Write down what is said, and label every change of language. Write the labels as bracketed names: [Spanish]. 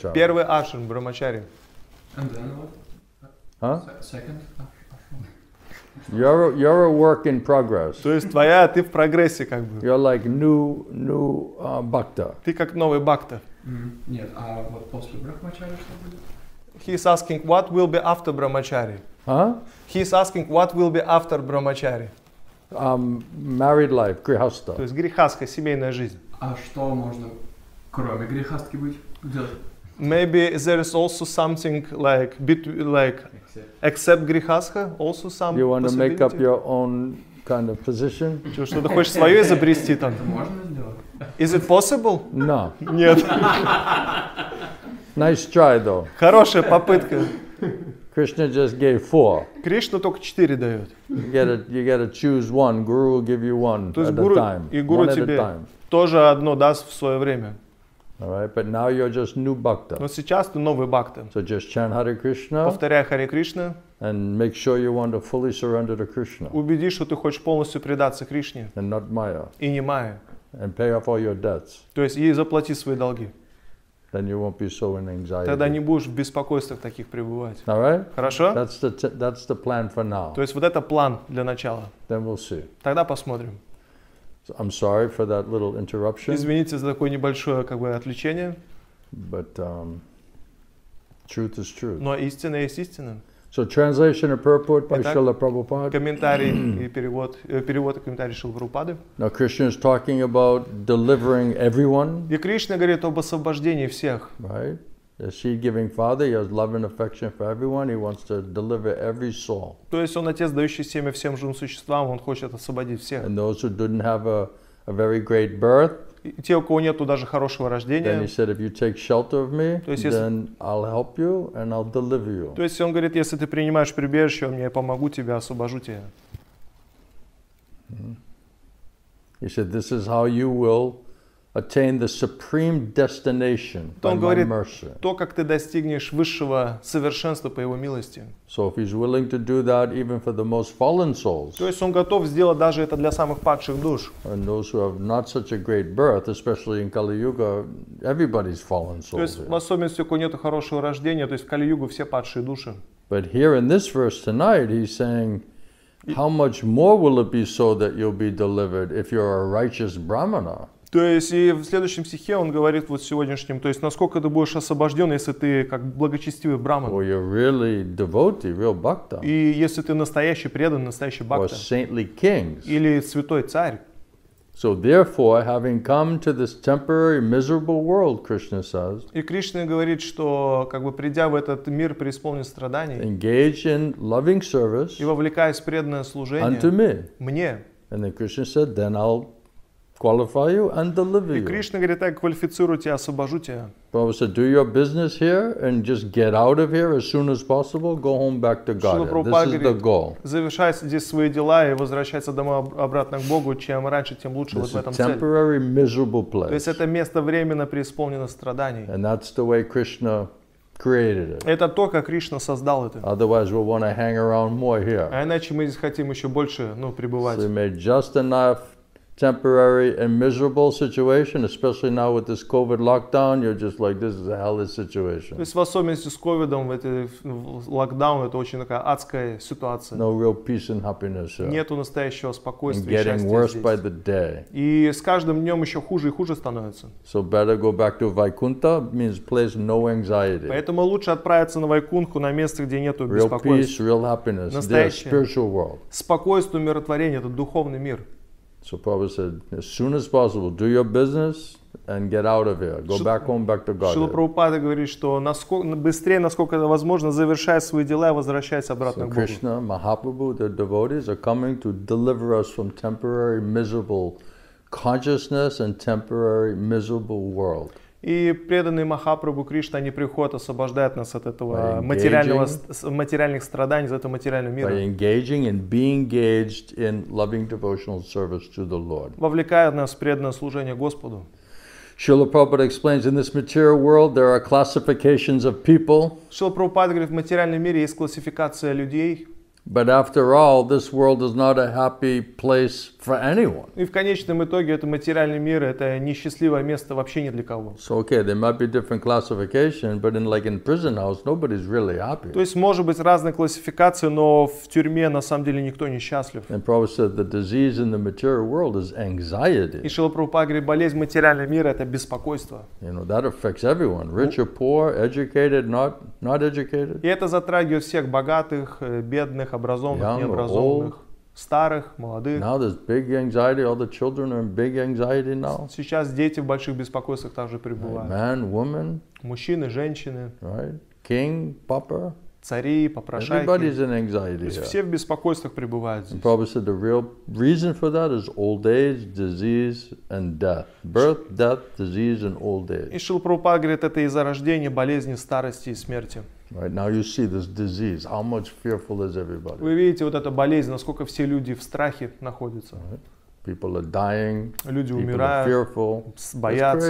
[Russian] Это первый ашрам, брахмачари. [English] And then what? Huh? Second ashram. You're a work in progress. [Russian] То есть твоя, ты в прогрессе как бы. [English] You're like new bhakta. [Russian] Ты как новый бхакта. Нет, а вот после брахмачари что будет? [English] He's asking what will be after brahmachari. He's asking what will be after brahmachari. Married life, grihastha. [Russian] То есть грихастха, семейная жизнь. А что можно кроме грихастки быть делать? [English] Maybe there is also something like accept grihastha, also some. You want to make up your own kind of position? [Russian] Что ты хочешь свое изобрести там? [English] Is it possible? No. [Russian] Нет. [English] Nice try, though. [Russian] Хорошая попытка. [English] Krishna just gave four. [Russian] Кришна только четыре дает. [English] You gotta choose one. Guru will give you one at guru, a time. [Russian] И гуру тебе тоже одно даст в свое время. [English] All right, but now you're just new bhakta. [Russian] Но сейчас ты новый бхакта. [English] So just chant Hare Krishna. [Russian] Повторяй Hare Krishna. [English] And make sure you want to fully surrender to Krishna. [Russian] Убедись, что ты хочешь полностью предаться Кришне. [English] And not Maya. [Russian] И не Maya. [English] And pay off all your debts. [Russian] То есть и заплати свои долги. [English] Then you won't be so in anxiety. [Russian] Тогда не будешь в беспокойствах таких пребывать. [English] All right? [Russian] Хорошо? [English] That's the plan for now. [Russian] То есть вот это план для начала. [English] Then we'll see. [Russian] Тогда посмотрим. [English] So I'm sorry for that little interruption. [Russian] Извините за такое небольшое как бы отвлечение. [English] But truth is truth. [Russian] Но истина есть истина. [English] So translation and purport by Srila Prabhupada. [Russian] Комментарий и перевод и комментарий Шрилы Прабхупады. [English] Now Krishna is talking about delivering everyone. [Russian] И Кришна говорит об освобождении всех. [English] Right? The seed-giving father, he has love and affection for everyone. He wants to deliver every soul. [Russian] То есть он отец, дающий семя всем живым существам, он хочет освободить всех. [English] And those who didn't have a very great birth. [Russian] И те, у кого нету даже хорошего рождения. [English] Then he said, if you take shelter of me, then I'll help you and I'll deliver you. [Russian] То есть он говорит, если ты принимаешь прибежище, я помогу тебе, освобожу тебя. [English] He said, this is how you will attain the supreme destination by my mercy. [Russian] То, как ты достигнешь высшего совершенства по его милости. [English] So if he's willing to do that even for the most fallen souls. [Russian] То есть он готов сделать даже это для самых падших душ. [English] And those who have not such a great birth, especially in Kali-Yuga, everybody's fallen souls. [Russian] То есть в особенности, у кого нет хорошего рождения, то есть в Кали-Югу все падшие души. [English] But here in this verse tonight, he's saying, how much more will it be so that you'll be delivered if you're a righteous brahmana? [Russian] То есть и в следующем стихе он говорит вот сегодняшнем, то есть насколько ты будешь освобожден, если ты как благочестивый браман. [English] Or you're really devotee, real bhakta. [Russian] И если ты настоящий преданный, настоящий бхакта. [English] Or saintly kings. [Russian] Или святой царь. [English] So therefore, having come to this temporary miserable world, Krishna says. [Russian] И Кришна говорит, что как бы придя в этот мир, преисполнен страданий. [English] Engage in loving service. [Russian] И вовлекаясь в преданное служение. [English] Unto me. [Russian] Мне. [English] And then Krishna said, then I'll qualify you and deliver you. [Russian] И Кришна говорит, так квалифицирую тебя, освобожу тебя. [English] Prabhupada said, do your business here and just get out of here as soon as possible. Go home back to God. This is the goal. [Russian] Завершай здесь свои дела и возвращайся домой обратно к Богу. Чем раньше, тем лучше. [English] This [Russian] вот в этом цель. [English] Temporary miserable place. [Russian] То есть это место временно преисполнено страданий. [English] And that's the way Krishna created it. [Russian] Это то, как Кришна создал это. [English] Otherwise, we'll want to hang around more here. [Russian] А иначе мы здесь хотим еще больше, ну, пребывать. [English] So we made just enough. Temporary and miserable situation, especially now with this COVID lockdown, you're just like, this is a hellish situation. [Russian] То есть в особенности с ковидом, в этот локдаун, это очень такая адская ситуация. [English] No real peace and happiness here. [Russian] Нету настоящего спокойствия и счастья. [English] Getting worse by the day. [Russian] И с каждым днем еще хуже и хуже становится. [English] So better go back to Vaikuntha, means place no anxiety. [Russian] Поэтому лучше отправиться на Вайкунху, на место, где нету беспокойств. [English] Real peace, real happiness. [Russian] Настоящее [English] spiritual world. [Russian] Спокойствие, умиротворение, это духовный мир. [English] So Prabhupada said, as soon as possible, do your business and get out of here. Go back home, back to God. [Russian] Шрила Прабхупада говорит, что быстрее, насколько это возможно, завершай свои дела и возвращайся обратно к Богу. [English] So Krishna, Mahaprabhu, their devotees are coming to deliver us from temporary miserable consciousness and temporary miserable world. [Russian] И преданные Махапрабху Кришна, они приходят, освобождают нас от этого материальных страданий, от этого материального мира. [English] By engaging and being engaged in loving devotional service to the Lord. [Russian] Вовлекая нас в преданное служение Господу. [English] Srila Prabhupada explains, in this material world, there are classifications of people. [Russian] Шрила Прабхупада говорит, в материальном мире есть классификация людей. [English] But after all, this world is not a happy place for anyone. [Russian] И в конечном итоге это материальный мир, это несчастливое место вообще ни для кого. [English] So okay, there might be different classification, but in prison house, nobody's really happy. [Russian] То есть может быть разные классификации, но в тюрьме на самом деле никто не счастлив. [English] And Prabhupada said the disease in the material world is anxiety. [Russian] И Шрила Прабхупада говорит, болезнь материального мира это беспокойство. [English] You know that affects everyone, rich or poor, educated, not educated. [Russian] И это затрагивает всех богатых, бедных. Образованных, [English] young, [Russian] необразованных, [English] old. [Russian] Старых, молодых. [English] Now there's big anxiety. All the children are in big anxiety now. [Russian] Сейчас дети в больших беспокойствах также пребывают. [English] Man, woman. [Russian] Мужчины, женщины. [English] Right. King, papa. [Russian] Цари, попрошайки. [English] Everybody's in anxiety. [Russian] То есть все в беспокойствах пребывают здесь. [English] And probably said the real reason for that is old age, disease and death. Birth, death, disease and old age. [Russian] И Шрила Прабхупада говорит, это из-за рождения, болезни, старости и смерти. [English] Right now you see this disease. How much fearful is everybody? [Russian] Вы видите вот эту болезнь, насколько все люди в страхе находятся. [English] People are dying. [Russian] Люди [English] people [Russian] умирают. [English] Are fearful. [Russian] Боятся.